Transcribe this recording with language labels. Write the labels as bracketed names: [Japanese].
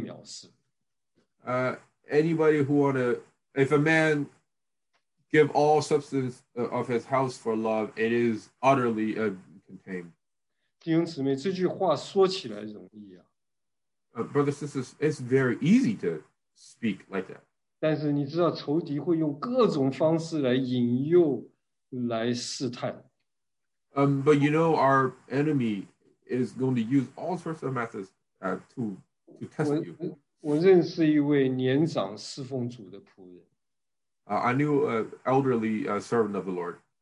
[Chinese] 如果有人拿家中的财宝想要换我们对主的爱情，全然被藐视。 [English] Anybody who want to, if a man give all substance of his house for love, it is utterly contained. [Chinese] 弟兄姊妹, 这句话说起来容易啊。 [English] Brother, sisters, it's very easy to speak like that. [Chinese] 但是你知道仇敌会用各种方式来引诱,来试探。 [English] But you know, our enemy is going to use all sorts of methods to test you. [Chinese] 我认识一位年长侍奉主的仆人。 [English] I knew an elderly servant of the Lord.